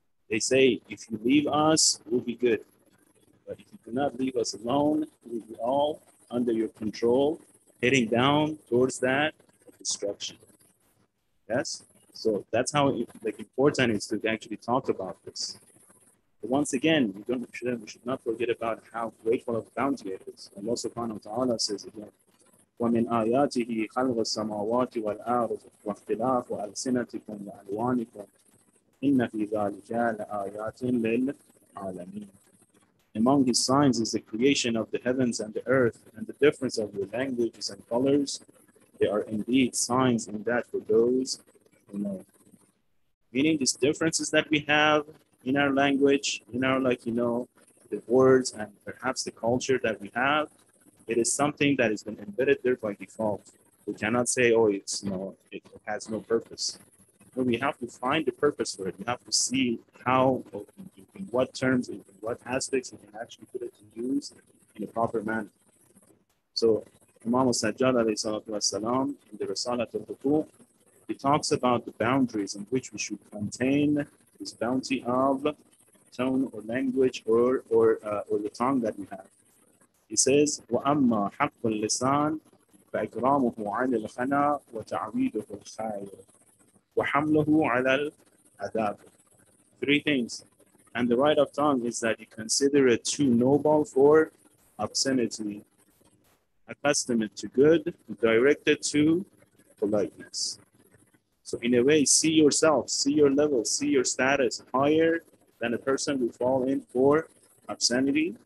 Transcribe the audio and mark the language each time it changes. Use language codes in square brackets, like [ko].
[en] They say, if you leave us, we'll be good. But if you do not leave us alone, we'll be all under your control, heading down towards that destruction. Yes? So that's how important it is to actually talk about this. But once again, we should not forget about how grateful of bounty it is. And Allah subhanahu wa ta'ala says again, [ar] وَمِنْ آيَاتِهِ خَلْغَ السَّمَاوَاتِ وَالْأَرْضِ وَاخْتِلَافُ أَلْسِنَتِكُمْ وَأَلْوَانِكُمْ إِنَّ فِي ذَلِكَ لَآيَاتٍ لِلْعَالَمِينَ. [en] Among his signs is the creation of the heavens and the earth and the difference of your languages and colors. They are indeed signs in that for those who know. Meaning these differences that we have in our language, in our the words and perhaps the culture that we have, it is something that has been embedded there by default. We cannot say, it has no purpose. But we have to find the purpose for it. We have to see how, in what terms, in what aspects we can actually put it to use in a proper manner. So Imam Sajjad alayhi salatu wasalam, in the Risalat al-Hukuk, he talks about the boundaries in which we should contain this bounty of tone or language or the tongue that we have. He says, [ar] وَأَمَّا حَقُّ اللِّسَانِ فَإِكْرَامُهُ عَلِي الْخَنَى وَتَعْوِيدُهُ الْخَيْرِ وَحَمْلُهُ عَلَى الْعَذَابِ. [en] Three things. And the right of tongue is that you consider it too noble for obscenity, accustom it to good, direct it to politeness. So in a way, see yourself, see your level, see your status higher than a person who fall in for obscenity.